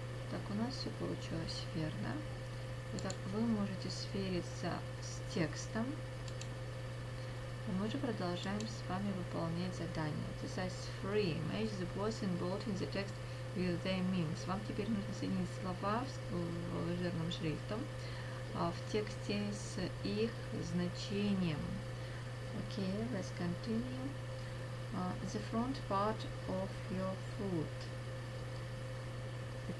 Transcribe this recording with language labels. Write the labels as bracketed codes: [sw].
[ru] Так, у нас все получилось верно. Итак, вы можете свериться с текстом. Мы же продолжаем с вами выполнять задание. [en] This is free. Match the words in bold in the text with their meanings. [ru] Вам теперь нужно соединить слова с жирным шрифтом в тексте с их значением. [en] Okay, let's continue. The front part of your foot.